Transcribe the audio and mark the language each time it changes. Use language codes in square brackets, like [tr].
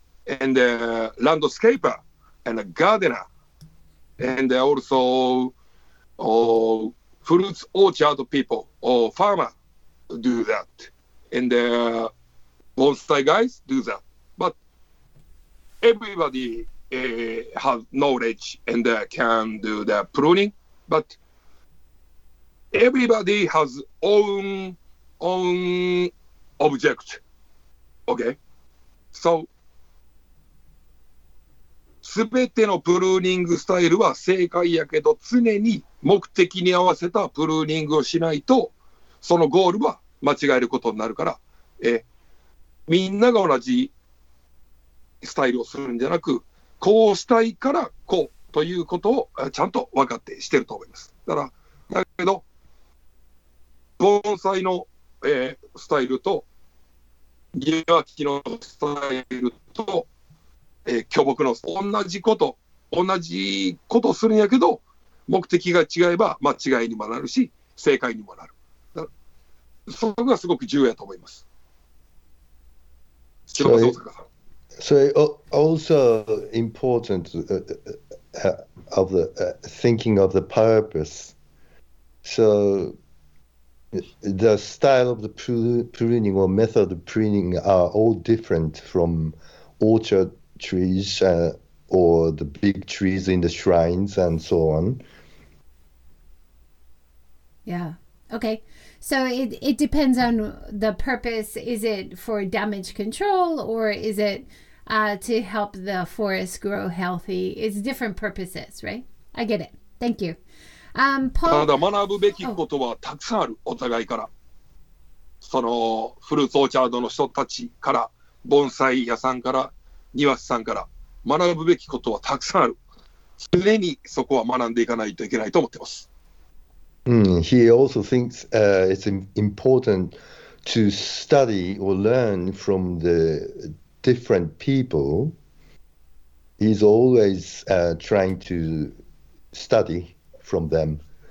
[en] And a landscaper and a gardener, and also fruits orchard people or farmer do that, and bonsai guys do that. But everybody have knowledge and can do the pruning, but everybody has own object. Okay, so [ja] すべてのプルーニングスタイルは正解やけど、常に目的に合わせたプルーニングをしないと、そのゴールは間違えることになるから、みんなが同じスタイルをするんじゃなく、こうしたいからこうということをちゃんと分かってしてると思います。だけど、盆栽の、スタイルと、庭木のスタイルと、巨木の同じことするんやけど、目的が違えば間違いにもなるし、正解にもなる。そこがすごく重要だと思います。 [en] So, 大阪さん。 So also important of the thinking of the purpose. So the style of the pruning or method of pruning are all different from orchard trees or the big trees in the shrines and so on. Yeah. Okay. So it depends on the purpose. Is it for damage control or is it to help the forest grow healthy? It's different purposes, right? I get it. Thank you. [ja] Paul. ただ学ぶべきことはたくさんある、お互いから。そのフルーツオーチャードの人たちから、盆栽屋さんから、庭師さんから学ぶべきことはたくさんある。常にそこは学んでいかないといけないと思ってます。 [en] He also thinks it's important to study or learn from the different people. He's always trying to study from them.